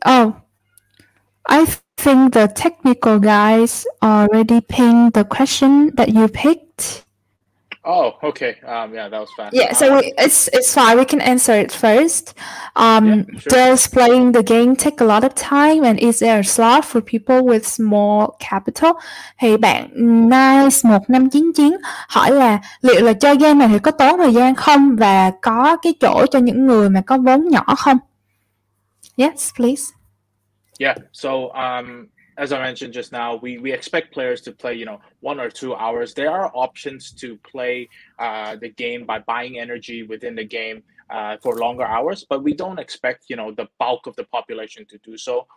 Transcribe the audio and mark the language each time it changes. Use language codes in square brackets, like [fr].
[en] Oh, I think the technical guys already pinged the question that you picked. Oh, okay. Yeah, that was fine. Yeah, so it's fine. We can answer it first. Yeah, sure. Does playing the game take a lot of time, and is there a slot for people with small capital? [vi] Thì bạn Nice 1599 hỏi là liệu là chơi game này thì có tốn thời gian không, và có cái chỗ cho những người mà có vốn nhỏ không? [en] Yes, please. Yeah. So as I mentioned just now, we expect players to play, you know, 1 or 2 hours. There are options to play the game by buying energy within the game for longer hours, but we don't expect, you know, the bulk of the population to do so.